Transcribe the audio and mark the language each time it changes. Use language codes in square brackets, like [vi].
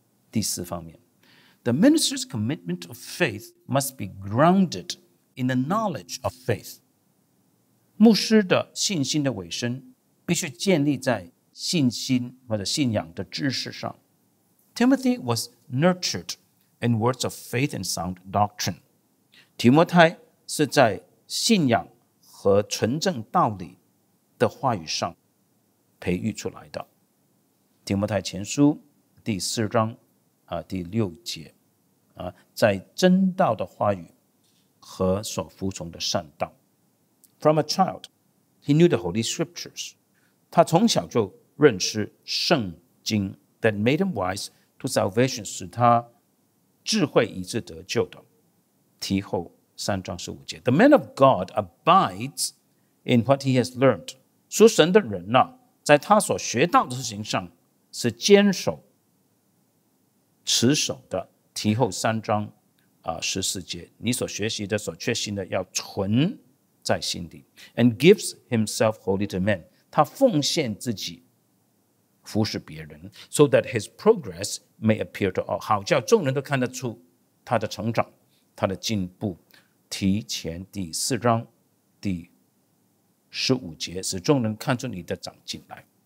[zh] 第四方面， [en] The minister's commitment of faith must be grounded in the knowledge of faith. [zh] 牧师的信心的尾声必须建立在信心或者信仰的知识上。 [en] Timothy was nurtured in words of faith and sound doctrine. [zh] 提摩太是在信仰和纯正道理的话语上培育出来的。提摩太前书第四章第六节在真道的话语和所服从的善道。 [en] From a child, he knew the Holy Scriptures. [zh] 他从小就认识圣经 [en] that made him wise to salvation, [zh] 使他智慧以致得救的。提后三章十五节 [en] The man of God abides in what he has learned. [zh] 属神的人呢、在他所学到的事情上是坚守、持守的。提后三章十四节你所学习的、所确信的要存在心底 [en] and gives himself wholly to men [zh] 他奉献自己服侍别人 [en] so that his progress may appear to all [zh] 好叫众人都看得出他的成长他的进步提前第四章第十五节使众人看出你的长进来